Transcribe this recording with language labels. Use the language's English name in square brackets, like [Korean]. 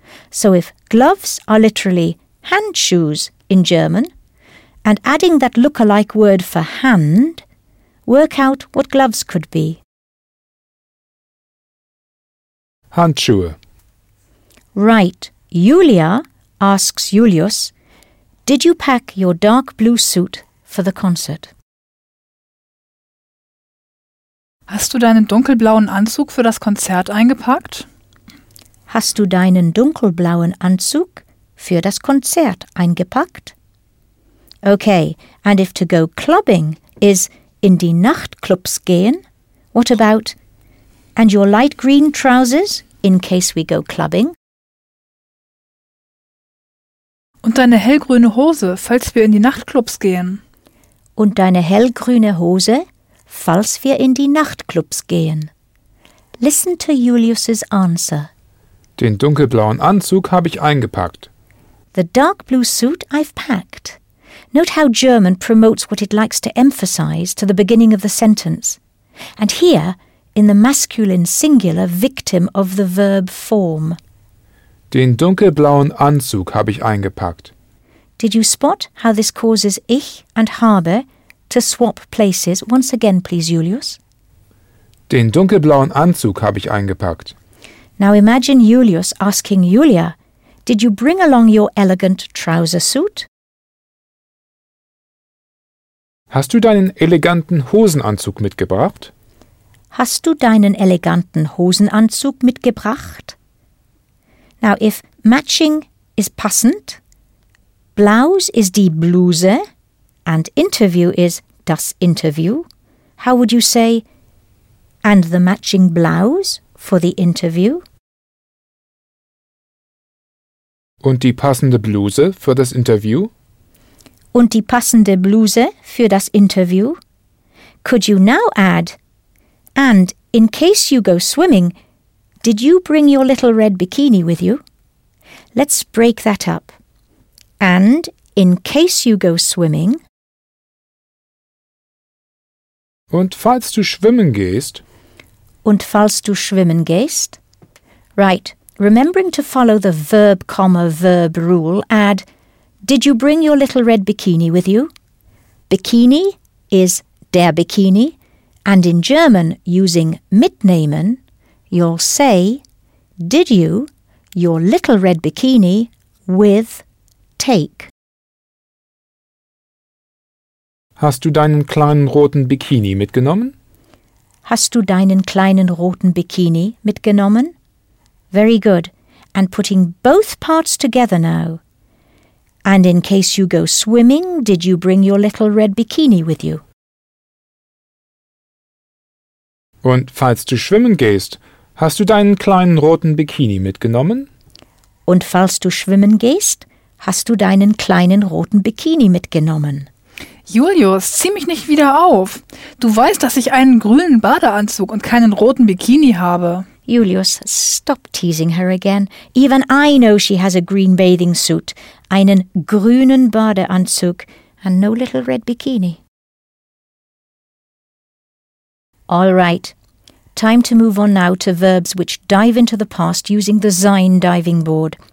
[English] So if gloves are literally handshoes in German, and adding that look-alike word for hand, work out what gloves could be. [German] Handschuhe. [English] Right. Julia asks Julius, did you pack your dark blue suit for the concert? [German] Hast du deinen dunkelblauen Anzug für das Konzert eingepackt? Hast du deinen dunkelblauen Anzug für das Konzert eingepackt? [English] Okay, and if to go clubbing is [German] in die Nachtclubs gehen, [English] what about, and your light green trousers in case we go clubbing? [German] Und deine hellgrüne Hose, falls wir in die Nachtclubs gehen. Und deine hellgrüne Hose, falls wir in die Nachtclubs gehen. [English] Listen to Julius's answer. [German] Den dunkelblauen Anzug habe ich eingepackt. [English] The dark blue suit I've packed. Note how German promotes what it likes to emphasize to the beginning of the sentence. And here, in the masculine singular victim of the verb form. [German] Den dunkelblauen Anzug habe ich eingepackt. [English] Did you spot how this causes ich and habe to swap places? Once again, please, Julius. [German] Den dunkelblauen Anzug habe ich eingepackt. [English] Now imagine Julius asking Julia, did you bring along your elegant trouser suit? [German] Hast du deinen eleganten Hosenanzug mitgebracht? Hast du deinen eleganten Hosenanzug mitgebracht? [English] Now if matching is passend, blouse is die Bluse, and interview is das Interview, how would you say, and the matching blouse for the interview? [German] Und die passende Bluse für das Interview? Und die passende Bluse für das Interview? [English] Could you now add, and in case you go swimming, did you bring your little red bikini with you? Let's break that up. And in case you go swimming. [German] Und falls du schwimmen gehst. Und falls du schwimmen gehst. [English] Right. Remembering to follow the verb, comma, verb rule, add, did you bring your little red bikini with you? Bikini is der Bikini, and in German, using mitnehmen, you'll say, did you your little red bikini with take? [German] Hast du deinen kleinen roten Bikini mitgenommen? Hast du deinen kleinen roten Bikini mitgenommen? [English] Very good. And putting both parts together now. And in case you go swimming, did you bring your little red bikini with you? [German] Und falls du schwimmen gehst, hast du deinen kleinen roten Bikini mitgenommen? Und falls du schwimmen gehst, hast du deinen kleinen roten Bikini mitgenommen? Julius, zieh mich nicht wieder auf. Du weißt, dass ich einen grünen Badeanzug und keinen roten Bikini habe. [English] Julius, stop teasing her again. Even I know she has a green bathing suit, [German] einen grünen Badeanzug, [English] and no little red bikini. All right. Time to move on now to verbs which dive into the past using the Sein diving board.